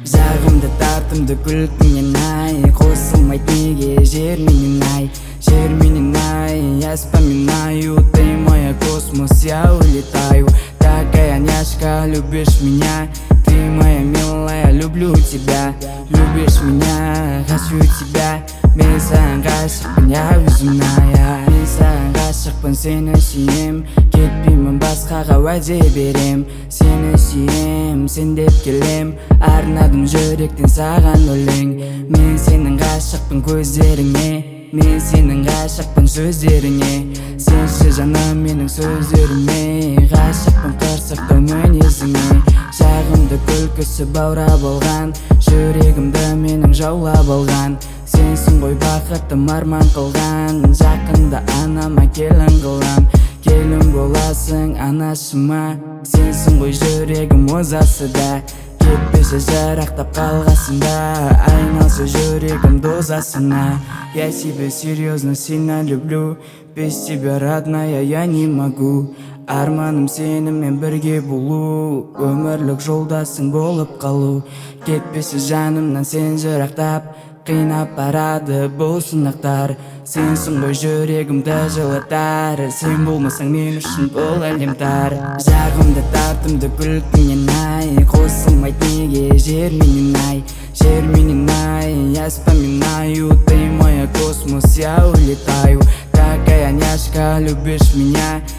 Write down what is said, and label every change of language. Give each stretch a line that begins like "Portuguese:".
Kazakh: Жағымды татымды күлкінен ай. Қосылмайды неге жер менен ай. Жер менен ай,
Russian: я вспоминаю. Ты моя космос, я улетаю. Такая няшка, любишь меня. Ты моя милая, люблю тебя. Любишь меня, хочу тебя.
Kazakh: Мен саған ғашықпын, я өзімная. Мен саған ғашықпын, сені сүйем. Кетпеймін басқаға, уәде берем. Сені сүйем, сен деп келем. Арнадым жүректен саған өлең. Мен сенің ғашықпын көздеріңе. Мен сенің ғашықпын сөздеріңе. Сенші жаным менің сөздеріме. Ғашықпын қырсықты мінезіңе. Жағымды күлкісі баура болған. Жүрегімді менің жаула болған. Сенсің ғой бақытым арман қылған. Жақында анама келін қылам. Келін боласың анашыма. Сенсің ғой жүрегім озасы да. Кетпесе жарақтап қалғасында. Айналса жүрегім дозасына.
Russian: Я себе серьезно сильно люблю. Без тебя родная я не могу.
Kazakh: Арманым сенімен бірге болу. Өмірлік жолдасың болып қалу. Кетпесе жанымнан сен жарақтап. Қинап барады бұл сынақтар. Сенсің ғой жүрегімді жылытар. Сен болмасаң мен үшін бұл әлем тар. Жағымды татымды күлкіңнен ай. Қосылмайды неге жер менен ай. Жер менен ай,
Russian: я вспоминаю. Ты моя космос, я улетаю. Такая няшка, любишь меня.